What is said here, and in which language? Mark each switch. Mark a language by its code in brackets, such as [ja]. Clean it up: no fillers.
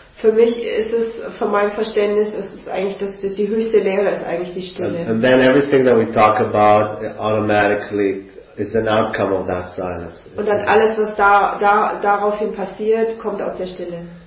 [de] Für mich ist es, von meinem Verständnis, es ist eigentlich das, die höchste Lehre ist eigentlich die Stille. [en] And then everything that we talk about automatically is an outcome of that silence. [de] Und dann alles, was daraufhin passiert, kommt aus der Stille.